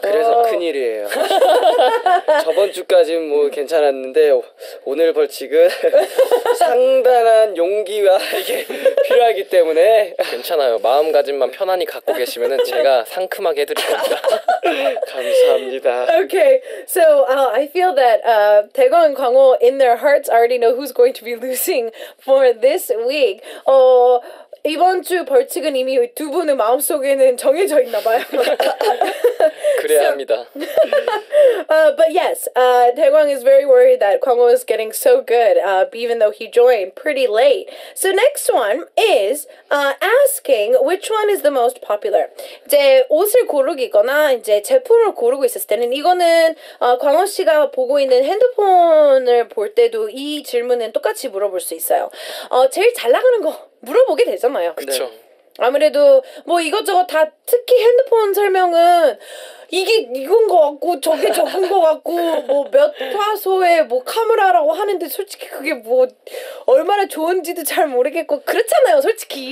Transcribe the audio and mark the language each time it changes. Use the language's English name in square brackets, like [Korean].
[Korean] 그래서 큰일이에요. 저번 주까지는 뭐 괜찮았는데 오늘 벌칙은 상당한 용기와 이게 필요하기 때문에. 괜찮아요. 마음가짐만 편안히 갖고 계시면은 제가 상큼하게 해드릴 겁니다. 감사합니다. [English] Okay, so I feel that Daegu and Kwangwo in their hearts already know who's going to be losing for this week. [Korean] 이번 주 벌칙은 이미 두 분의 마음속에는 정해져 있나 봐요. 그래야 합니다. [English] but yes, Daegu is very worried that Kwangwo is getting so good, even though he joined pretty late. So next one is asking which one is the most popular. [Korean] 이제 옷을 고르기거나 이제 제품을 고르고 있을 때는 이거는 광호 씨가 보고 있는 핸드폰을 볼 때도 이 질문은 똑같이 물어볼 수 있어요. 제일 잘 나가는 거 물어보게 되잖아요. 그렇죠. 아무래도 뭐 이것저것 다 특히 핸드폰 설명은 이게 이건 거 같고 저게 저건 거 같고 뭐 몇 화소의 뭐 카메라라고 하는데 솔직히 그게 뭐 얼마나 좋은지도 잘 모르겠고 그렇잖아요 솔직히.